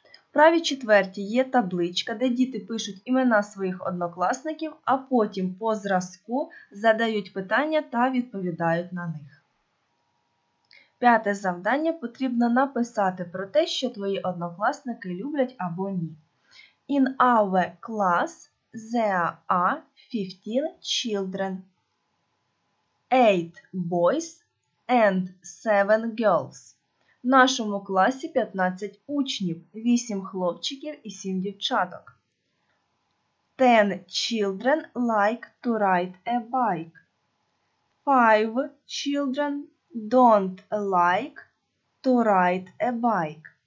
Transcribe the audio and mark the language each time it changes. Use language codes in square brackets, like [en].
[uk] В правій четверті є табличка, де діти пишуть імена своїх однокласників, а потім по зразку задають питання та відповідають на них. П'яте завдання – потрібно написати про те, що твої однокласники люблять або ні. [en] In our class there are 15 children, 8 boys and 7 girls. [uk] В нашому класі 15 учнів, 8 хлопчиків і 7 дівчаток. [en] 10 children like to ride a bike. 5 children don't like to ride a bike.